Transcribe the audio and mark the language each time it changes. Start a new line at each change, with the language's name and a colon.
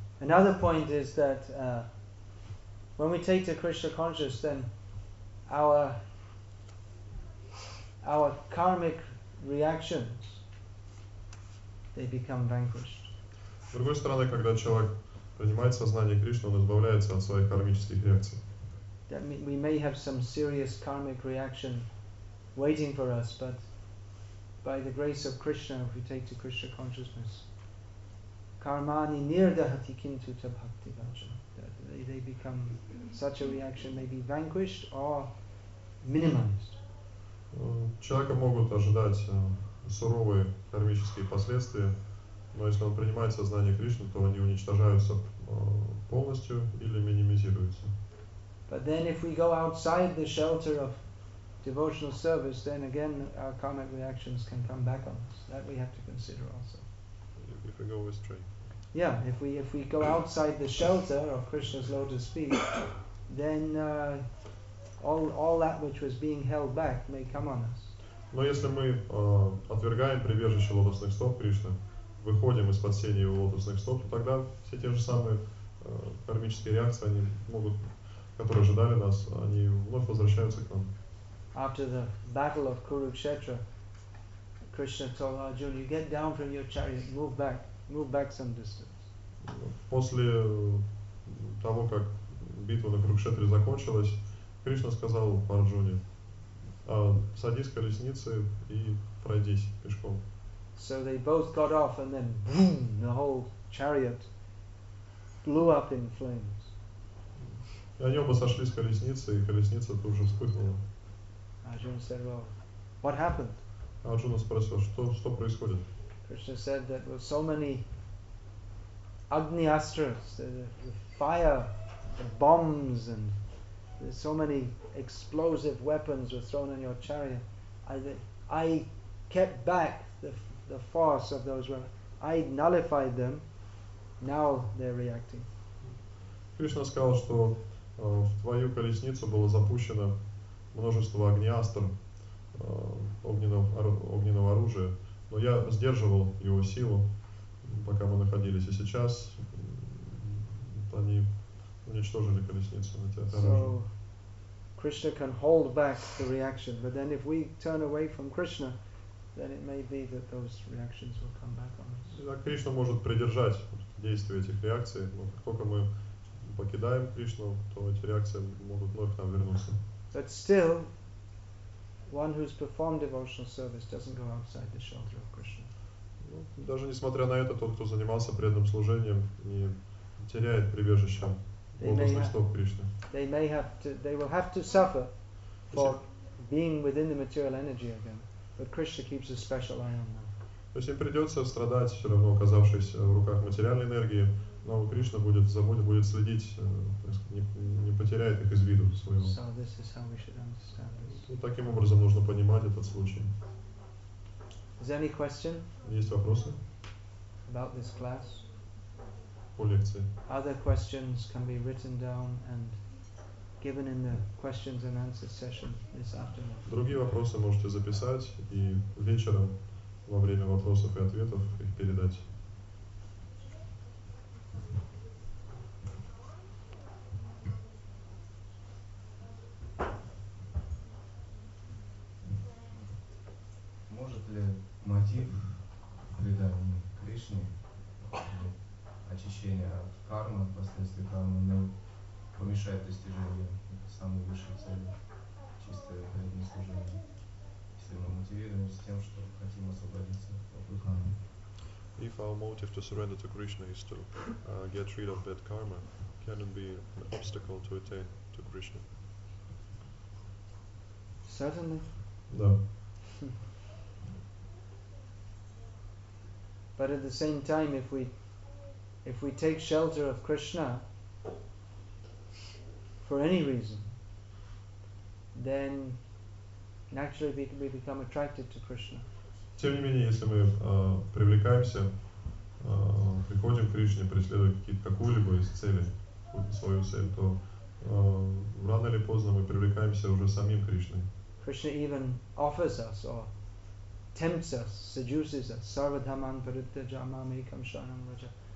English: Another point is that when we take to Krishna consciousness, then our karmic reactions, they become vanquished.
Russian: С другой стороны, когда человек принимает сознание Кришны, он избавляется от своих кармических реакций.
English: That we may have some serious karmic reaction waiting for us, but by the grace of Krishna if we take to Krishna consciousness.
Sanskrit: Karmani nirdahati kintu tabhakti vaja.
English: They become, such a reaction may be vanquished or minimized.
Russian: Человека могут ожидать суровые кармические последствия, но если он принимает сознание Кришны, то они уничтожаются полностью или минимизируются.
English: But then if we go outside the shelter of devotional service, then again our karmic reactions can come back on us. That we have to consider also. If we go astray. Yeah, if we go outside the shelter of Krishna's lotus feet, then all that which was being held back may come on us.
Russian: Но если мы отвергаем прибежище лотосных стоп Кришны, выходим из-под сени его лотосных стоп, то тогда все те же самые кармические реакции, они могут, которые ожидали нас, они вновь возвращаются к нам.
English: After the battle of Kurukshetra, Krishna told Arjuna, "You get down from your chariot, move back some distance."
Russian: После того, как битва на Курукшетре закончилась, Кришна сказал Арджуне, садись колесницы и пройдись пешком.
English: So they both got off and then boom, the whole chariot blew up in flames.
Russian: И они оба сошли с колесницы, и колесница тут же вспыхнула.
English: Arjuna said, well, what happened?
Russian: Арджуна спросил, что происходит?
English: Krishna said that there were so many Agniastras, the fire, the bombs, and there's so many explosive weapons were thrown on your chariot. I kept back the force of those weapons. I nullified them. Now they're reacting.
Russian: Krishna сказал, что в твою колесницу было запущено множество огнеастр, огненного оружия, но я сдерживал его силу, пока мы находились, и сейчас они уничтожили колесницу на тебя.
English: Krishna can hold back the reaction, but then if we turn away from Krishna, then it may be that those reactions will come back on us.
Russian: Итак, Кришна может придержать действие этих реакций, но как только мы покидаем Кришну, то эти реакции могут вновь к нам вернуться.
English: But still, one who's performed devotional service doesn't go outside the shelter of Krishna.
Russian: Ну, даже несмотря на это, тот, кто занимался преданным служением, не теряет прибежище.
English: They will have to suffer for being within the material energy again, but Krishna keeps a special eye on them.
Russian: То есть им придется страдать, все равно оказавшись в руках материальной энергии, но Кришна будет следить, не потеряет их из виду своего.
English: So this is how we should understand this.
Russian: Ну, таким образом нужно понимать этот случай.
English: Is there any question?
Russian: Есть вопросы?
English: About this class?
Russian: По лекции.
English: Other questions can be written down and given in the questions and answers session this afternoon.
Russian: Другие вопросы можете записать и вечером во время вопросов и ответов их передать. Может ли мотив преданный Кришне очищение от кармы, от последствий кармы, не помешает достижению самой высшей цели, чистое преданное служение, если мы мотивируемся тем, что хотим освободиться от кармы.
English: If our motive to surrender to Krishna is to get rid of bad karma, can it be an obstacle to attain to Krishna? Certainly. No. But at the same time, if we take shelter of Krishna for any reason, then naturally we become attracted to Krishna.
Russian: Тем не менее, если мы привлекаемся, приходим к Кришне, преследуем какую-либо из целей, свою цель, то рано или поздно мы привлекаемся уже самим Кришной.
English: Krishna even offers us or tempts us, seduces us.
Sanskrit: Sarvadhaman paritya jamam ekam sharanam vraja.